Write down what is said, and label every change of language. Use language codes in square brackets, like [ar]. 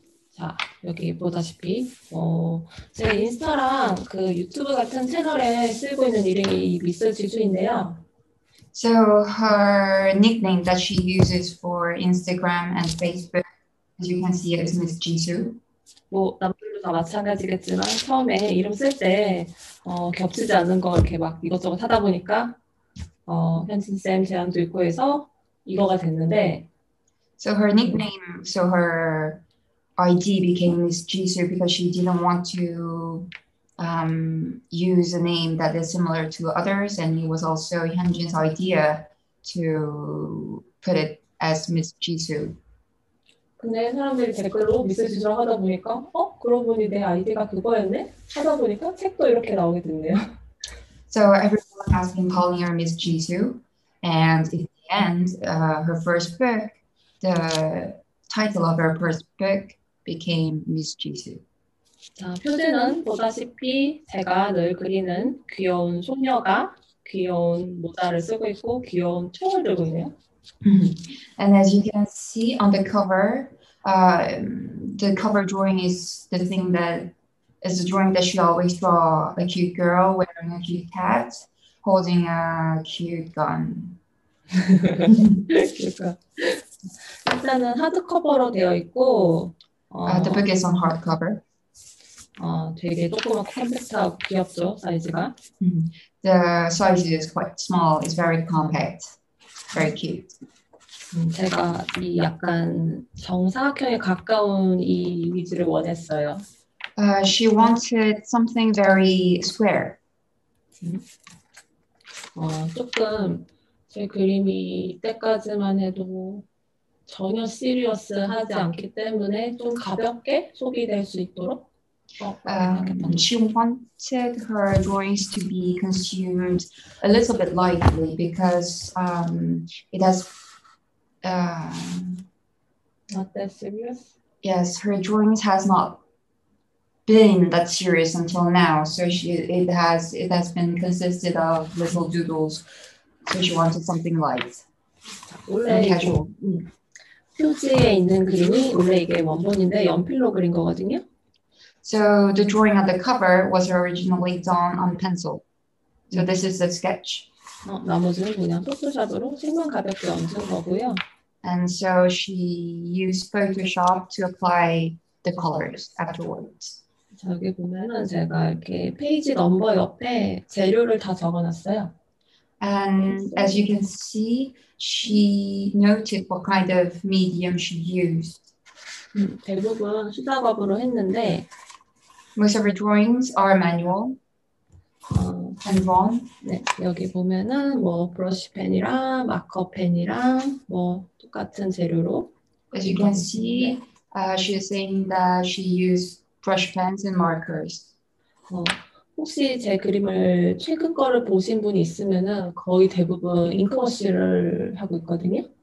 [ko] 자, 여기 보다시피 제 인스타랑 그 유튜브 같은 채널에 쓰고 있는 이름이 미스 지수인데요. [en] So her nickname that she uses for Instagram and Facebook, as you can see, is Miss Jisu. [ko] 뭐 남들도 다 마찬가지겠지만 처음에 이름 쓸 때 겹치지 않는 걸 이렇게 막 이것저것 하다 보니까 현진 쌤 제안도 있고 해서 이거가 됐는데. [en] So her nickname, so her ID became Miss Jisu because she didn't want to use a name that is similar to others, and it was also Hyunjin's idea to put it as Miss Jisu. [ko] 근데 사람들이 댓글로 미스 지수 하다 보니까 그러고 보니 내 아이디가 그거였네 하다 보니까 책도 이렇게 나오게 됐네요. [en] So everyone has been calling her Miss Jisu, and in the end, her first book, the title of her first book became Miss Jisu. [ko] 자, 표지는 보다시피 제가 늘 그리는 귀여운 소녀가 귀여운 모자를 쓰고 있고 귀여운 총을 들고 있네요. [en] And as you can see on the cover, the cover drawing is the thing that is the drawing that she always draw, a cute girl wearing a cute hat, holding a cute gun. [ko] 일단은 하드커버로 되어 있고, [en] The book is on hardcover. [ko] 되게 조그맣고 컴팩트하고 귀엽죠, 사이즈가. [en] The size is quite small. It's very compact. Very cute. [ko] 제가 이 약간 정사각형에 가까운 이 이미지를 원했어요. [en] She wanted something very square. [ko] 조금 제 그림이 이때까지만 해도 전혀 시리어스하지 않기 때문에 좀 가볍게 소비될 수 있도록. [en] She wanted her drawings to be consumed a little bit lightly because it has. Not that serious? Yes, her drawings has not been that serious until now. So it has been consisted of little doodles. So she wanted something light. [ko] 원래 이게 표지에 있는 그림이 원래 이게 원본인데 연필로 그린 거거든요. [en] So the drawing on the cover was originally done on pencil. So this is the sketch. [ko] 나머지는 그냥 포토샵으로 색만 가볍게 얹은 거고요. [en] And so she used Photoshop to apply the colors afterwards. [ko] 저기 보면은 제가 이렇게 페이지 넘버 옆에 재료를 다 적어놨어요. [en] And as you can see, she noted what kind of medium she used. [ko] 대부분 수작업으로 했는데. [en] Most of her drawings are manual. And drawn. [ko] 네, 여기 보면은 뭐 브러쉬 펜이랑 마커 펜이랑 뭐 똑같은 재료로. [en] As you can see, she is saying that she used brush pens and markers. [ko] 혹시 제 그림을 최근 거를 보신 분이 있으면은 거의 대부분 잉크워시를 하고 있거든요.